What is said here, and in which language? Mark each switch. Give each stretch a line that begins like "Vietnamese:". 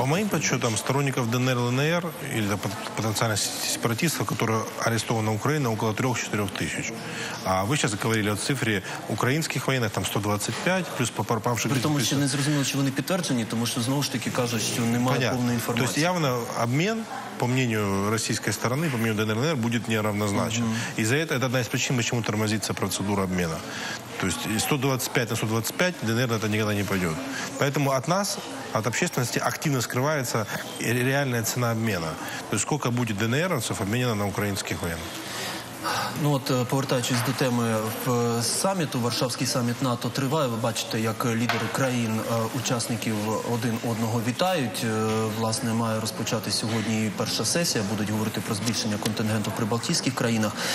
Ukrainian: По моїм підсумкам, сторонників ДНР, ЛНР, і потенціальне сепаратистство, яке арестовано Україна, около 3-4 тисяч. А ви зараз говорили о цифрі українських воєнних, там 125, плюс пропавших... При тому, що не зрозуміло, чи вони підтверджені, тому що, знову ж таки, кажуть, що немає
Russian: понятно.
Ukrainian: Повної інформації. Тобто, явно обмін
Russian: по мнению российской стороны, по мнению ДНР, будет неравнозначен. Из-за этого это одна из причин, почему тормозится процедура обмена. То есть 125 на 125 ДНР это никогда не пойдет. Поэтому от нас, от общественности активно скрывается реальная цена обмена. То есть сколько будет ДНРовцев обменено на украинских военных.
Ukrainian: Ну от повертаючись до теми саміту, Варшавський саміт НАТО триває. Ви бачите, як лідери країн учасників один одного вітають. Власне, має розпочати сьогодні перша сесія. Будуть говорити про збільшення контингенту в прибалтійських країнах.